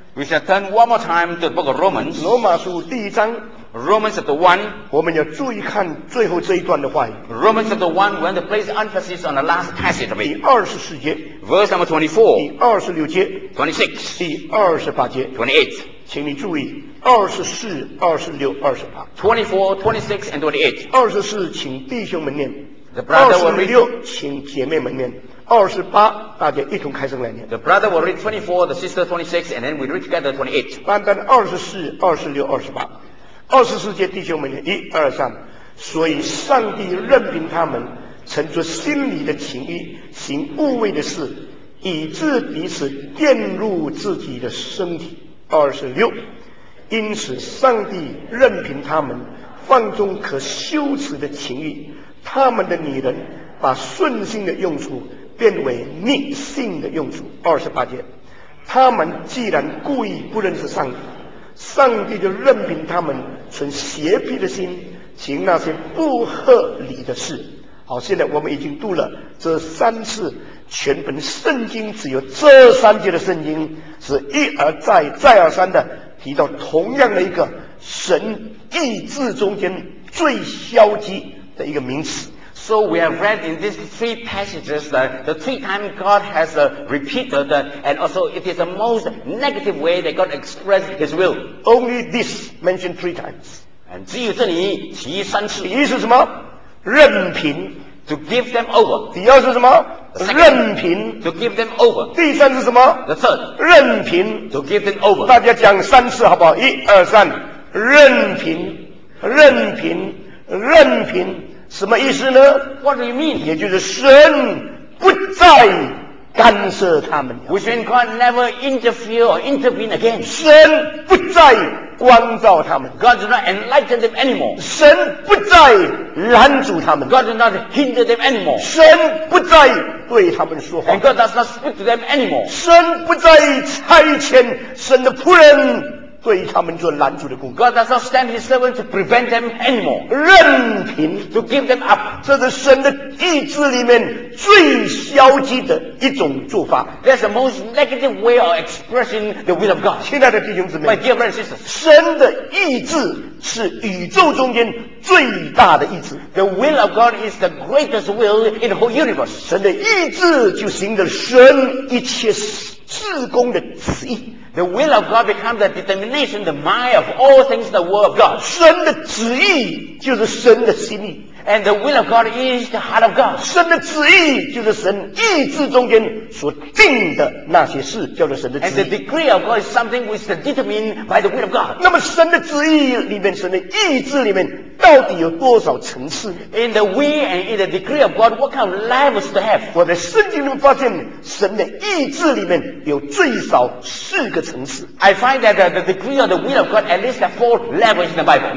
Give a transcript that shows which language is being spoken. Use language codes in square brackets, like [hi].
[en] We shall turn one more time to the book of Romans. [zh] 罗马书第一章。 [en] Romans chapter one. [zh] 我们要注意看最后这一段的话语。 [en] Romans chapter one, we want to place emphasis on the last passage of it. [zh] 第二十四节。 [en] Verse number 24. [zh] 第二十六节。 [en] 26. [zh] 第二十八节。 [en] 28. [zh] 请你注意，二十四、二十六、二十八。 [en] 24, 26, and 28. [zh] 二十四，请弟兄们念。 [en] The brother will read. [zh] 二十六，请姐妹们念。二十八，大家一同开声来念。 [en] The brother will read 24, the sister 26, and then we read together 28. [zh] 单单二十四、二十六、二十八，二十四节弟兄们念，一、二、三。所以上帝任凭他们存着心里的情欲，行污秽的事，以致彼此玷污自己的身体。二十六，因此上帝任凭他们放纵可羞耻的情欲，他们的女人把顺性的用处变为逆性的用处。二十八节，他们既然故意不认识上帝，上帝就任凭他们存邪僻的心，行那些不合理的事。好，现在我们已经读了这三次，全本圣经只有这三节的圣经是一而再、再而三的提到同样的一个神意志中间最消极的一个名词。 [en] So we have read in these three passages the three times God has repeated that, and also it is the most negative way that God expressed His will. Only this mentioned three times. [zh] And 只有这里提三次。第一是什么？任凭。 [en] To give them over. [zh] 第二是什么？任凭。 [en] To give them over. [zh] 第三是什么？ [en] The third. [zh] 任凭。 [en] To give them over. [zh] 大家讲三次好不好？一、二、三。任凭，任凭，任凭。什么意思呢？ [en] What do you mean? [zh] 也就是神不再干涉他们了。 [en] Which means God never interfere or intervene again. [zh] 神不再光照他们。 [en] God does not enlighten them anymore. [zh] 神不再拦阻他们。 [en] God does not hinder them anymore. [zh] 神不再对他们说话。 [en] And God does not speak to them anymore. [zh] 神不再差遣神的仆人对他们做拦阻的工作。 [en] God does not send His servant to prevent them anymore. [zh] 任凭。 [en] To give them up. [zh] 这是神的意志里面最消极的一种做法。 [en] That's the most negative way of expressing the will of God. [zh] 亲爱的弟兄姊妹。 [en] My dear brothers and sisters. [zh] 神的意志是宇宙中间最大的意志。 [en] The will of God is the greatest will in the whole universe. [zh] 神的意志就行着神一切事工的旨意。 [en] The will of God becomes the determination, the mind of all things, the will of God. [zh] 神的旨意就是神的心意。 [en] And the will of God is the heart of God. [zh] 神的旨意就是神意志中间所定的那些事，叫做神的旨意。 [en] And the decree of God is something which is determined by the will of God. [zh] 那么神的旨意里面，神的意志里面，到底有多少层次？ [en] In the will and in the decree of God, what kind of levels to have? [zh] 我在圣经里面发现，神的意志里面有最少四个层次。 [en] I find that the decree of the will of God at least have four levels in the Bible.